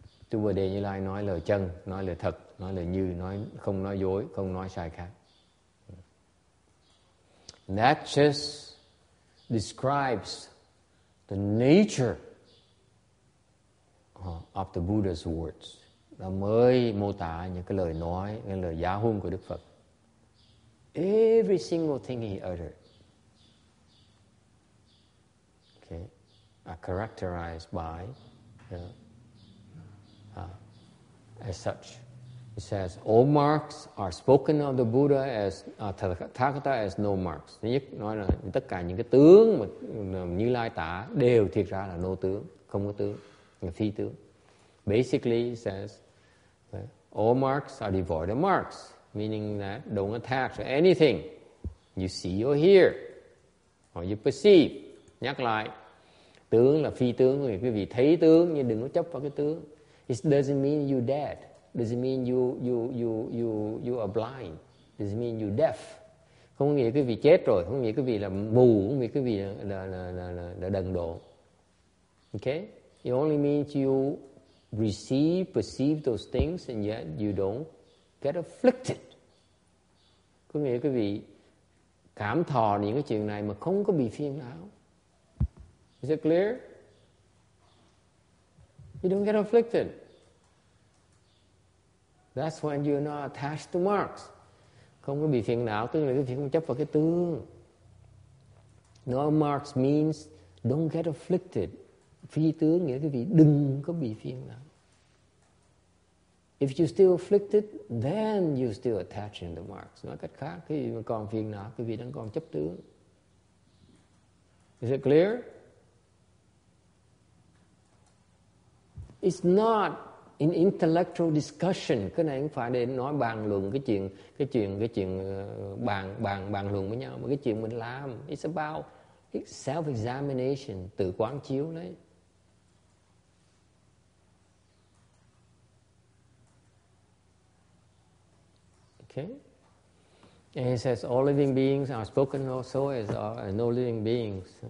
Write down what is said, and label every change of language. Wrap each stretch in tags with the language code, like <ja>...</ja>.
<vi>Tu Bồ Đề Như Lai nói lời chân, nói lời thật, nói lời như, nói không nói dối, không nói sai khác.</vi> <en>That just describes the nature of the Buddha's words.</en> <vi>Nó mới mô tả những cái lời nói, những lời giáo huấn của Đức Phật.</vi> <en>Every single thing he uttered, okay, are characterized by, as such. He says, all marks are spoken of the Buddha as, Tathagata as no marks.</en> <vi>Thứ nhất, nói là tất cả những cái tướng mà Như Lai tả đều thiệt ra là no tướng, không có tướng, là phi tướng.</vi> <en>Basically, he says, all marks are devoid of marks. Meaning that don't attach to anything you see or hear or you perceive.</en> <vi>Nhắc lại, tướng là phi tướng, quý vị thấy tướng nhưng đừng có chấp vào cái tướng.</vi> <en>It doesn't mean you dead. Doesn't mean you are blind. Doesn't mean you deaf.</en> <vi>Không nghĩa quý vị chết rồi, không nghĩa quý vị là mù, không nghĩa quý vị là đần độn.</vi> <en>Okay? It only means you receive, perceive those things and yet you don't get afflicted.</en> <vi>Có nghĩa quý vị cảm thọ những cái chuyện này mà không có bị phiền não.</vi> <en>Is it clear? You don't get afflicted. That's when you're not attached to marks.</en> <vi>Không có bị phiền não, tức là quý vị không chấp vào cái tướng.</vi> <en>No marks means don't get afflicted.</en> <vi>Phi tướng nghĩa quý vị đừng có bị phiền não.</vi> <en>If you're still afflicted, then you're still attaching the marks.</en> <vi>Nói cách khác, quý vị còn phiền não, quý vị đang còn chấp tướng.</vi> <en>Is it clear? It's not an intellectual discussion.</en> <vi>Cái này không phải để nói bàn luận cái chuyện bàn luận với nhau, mà cái chuyện mình làm.</vi> <en>It's about self-examination,</en> <vi>tự quán chiếu đấy.</vi> <en>Okay. And he says, all living beings are spoken also as no living beings.</en>